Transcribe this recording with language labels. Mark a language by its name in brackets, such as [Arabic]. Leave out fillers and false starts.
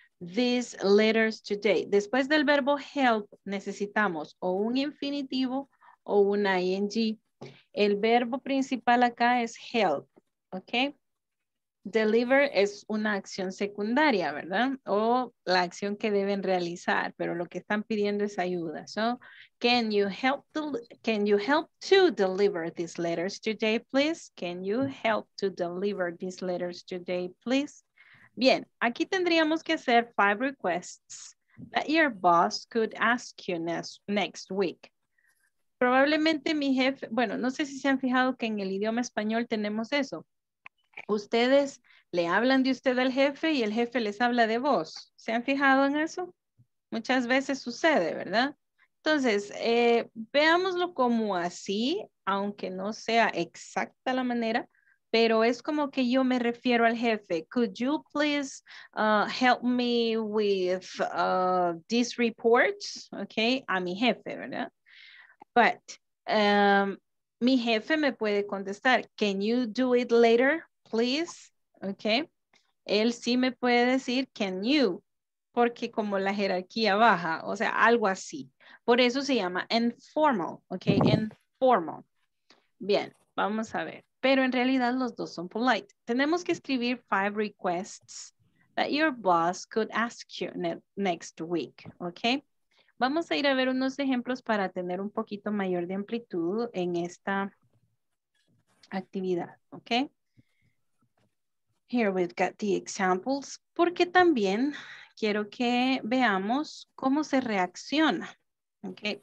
[English] these letters today. [Spanish] Después del verbo help, necesitamos o un infinitivo o un ing. El verbo principal acá es help, ¿ok? Deliver es una acción secundaria, ¿verdad? O la acción que deben realizar, pero lo que están pidiendo es ayuda. [English] So, can you help to deliver these letters today, please? Can you help to deliver these letters today, please? [Spanish] Bien, aquí tendríamos que hacer [English] 5 requests that your boss could ask you next week. [Spanish] Probablemente mi jefe, bueno, no sé si se han fijado que en el idioma español tenemos eso. Ustedes le hablan de usted al jefe y el jefe les habla de vos. ¿Se han fijado en eso? Muchas veces sucede, ¿verdad? Entonces, veámoslo como así, aunque no sea exacta la manera, pero es como que yo me refiero al jefe. [English] Could you please help me with this report? [Spanish] Okay, a mi jefe, ¿verdad? But mi jefe me puede contestar, [English] can you do it later, please? [Spanish] Okay, él sí me puede decir, [English] can you? [Spanish] Porque como la jerarquía baja, o sea, algo así. Por eso se llama informal, okay, informal. Bien, vamos a ver. Pero en realidad los dos son polite. Tenemos que escribir [English] 5 requests that your boss could ask you next week, okay? [Spanish] Vamos a ir a ver unos ejemplos para tener un poquito mayor de amplitud en esta actividad, ¿ok? [English] Here we've got the examples, [Spanish] porque también quiero que veamos cómo se reacciona, ¿ok?